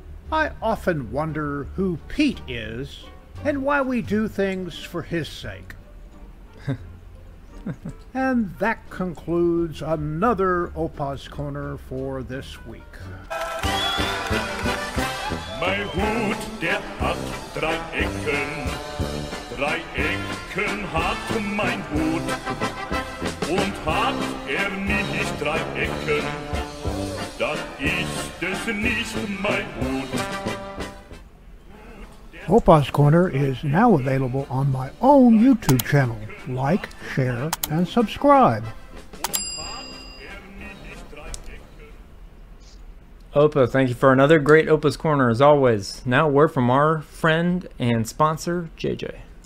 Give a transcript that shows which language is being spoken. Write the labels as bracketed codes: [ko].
[en] I often wonder who Pete is and why we do things for his sake. And that concludes another Opa's Corner for this week. [de] Mein Hut, der hat drei Ecken. Drei Ecken hat mein Hut. Und hat nicht drei Ecken, dann ist es nicht mein Hut. [en] Opa's Corner is now available on my own YouTube channel. Like, share, and subscribe. Opa, thank you for another great Opa's Corner as always. Now a word from our friend and sponsor, JJ.